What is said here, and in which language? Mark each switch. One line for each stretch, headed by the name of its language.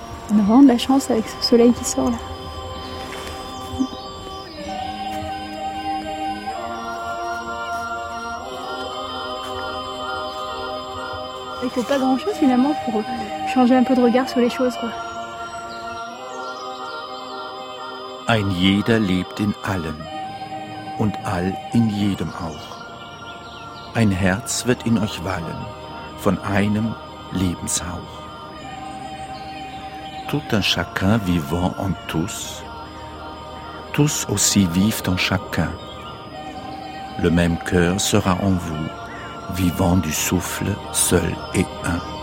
French: On a vraiment de la chance avec ce soleil qui sort là. Il ne faut pas grand-chose finalement pour changer un peu de regard sur les choses, quoi.
German: Ein jeder lebt in allem und all in jedem auch. Ein Herz wird in euch wallen von einem Lebenshauch.
French: Tout un chacun vivant en tous, tous aussi vivent en chacun. Le même cœur sera en vous, vivant du souffle seul et un.